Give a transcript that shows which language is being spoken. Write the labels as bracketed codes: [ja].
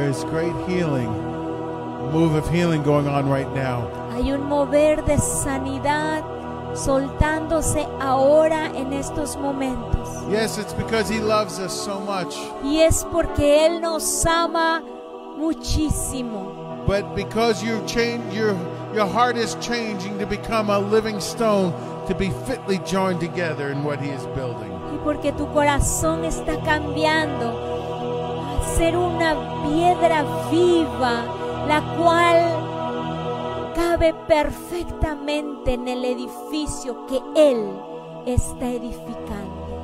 [en] Great healing, move of healing going on right now. [es] Hay un mover de sanidad soltándose ahora en estos momentos. [en] Yes, it's because he loves us so much. [es] Y es porque él nos ama muchísimo. [en] But because you've changed, your heart is changing to become a living stone to be fitly joined together in what he is building. [es] Y porque tu corazón está cambiando. Ser una piedra viva, la cual cabe perfectamente en el edificio que Él está edificando.